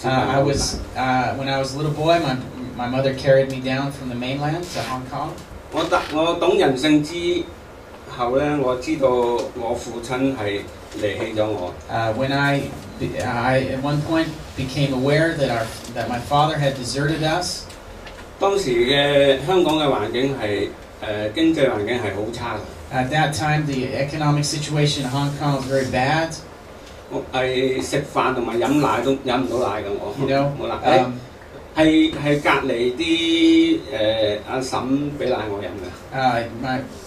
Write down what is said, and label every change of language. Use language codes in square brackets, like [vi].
[en] When I was a little boy, my mother carried me down from the mainland to Hong Kong. [yue] 我懂人性之後咧，我知道我父親係離棄咗我。 [en] When I at one point became aware that my father had deserted us. [yue] 當時嘅香港嘅環境係經濟環境係好差嘅。 [en] At that time, the economic situation in Hong Kong was very bad. [yue] 我係食飯同埋飲奶都飲唔到奶嘅，我冇奶。係隔離啲阿嬸俾奶我飲嘅。